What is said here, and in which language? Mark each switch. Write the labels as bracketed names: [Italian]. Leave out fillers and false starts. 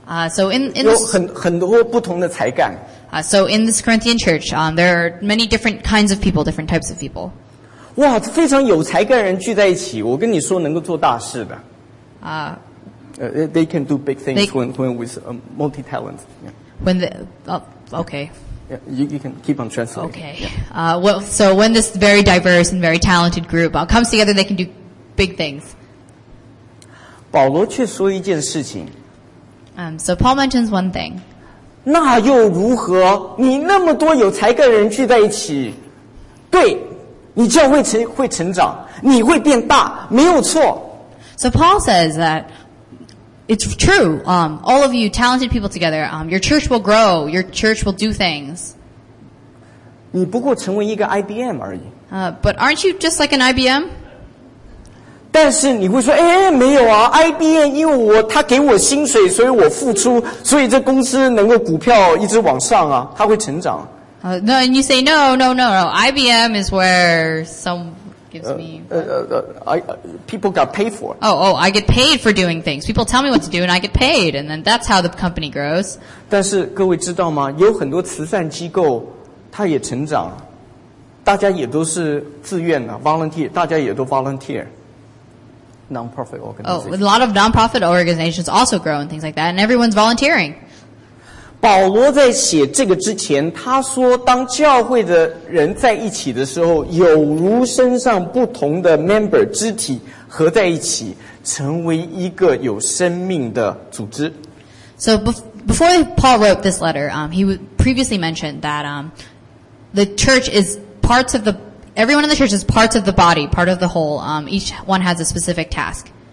[English] So in this, [Chinese] 有很多不同的才干。 [English] So in this Corinthian church, there are many different kinds of people, different types of people. [Chinese] 哇，非常有才干的人聚在一起，我跟你说能够做大事的。 [English] They can do big things when with multi-talent. Yeah. When the, okay. Yeah, you can keep on translating. Okay. Yeah. So when this very diverse and very talented group comes together, they can do big things. [Chinese] 保罗却说一件事情。 [English] So Paul mentions one thing. [Chinese] 那又如何？你那么多有才干的人聚在一起，对，你就会成长，你会变大，没有错。 [English] So Paul says that it's true. All of you talented people together, your church will grow. Your church will do things. [Chinese] 你不过成为一个 IBM 而已。 [English] But aren't you just like an IBM? [Chinese] 但是你会说，哎，没有啊， IBM 因为我他给我薪水，所以我付出，所以这公司能够股票一直往上啊，它会成长。 [English] No, and you say no. IBM is where some gives me. People got paid for. Oh, I get paid for doing things. People tell me what to do, and I get paid, and then that's how the company grows. [Chinese] 但是各位知道吗？有很多慈善机构。他也成长, 大家也都是自愿的, volunteer, 大家也都 volunteer, [English] non-profit organizations. Oh, a lot of non-profit organizations also grow and things like that, and everyone's volunteering. [Chinese] 保罗在写这个之前, 他说当教会的人在一起的时候, 有如身上不同的member, 肢体合在一起, 成为一个有生命的组织。 [English] So before Paul wrote this letter, he previously mentioned that the church is parts of the, everyone in the church is parts of the body, part of the whole. Each one has a specific task.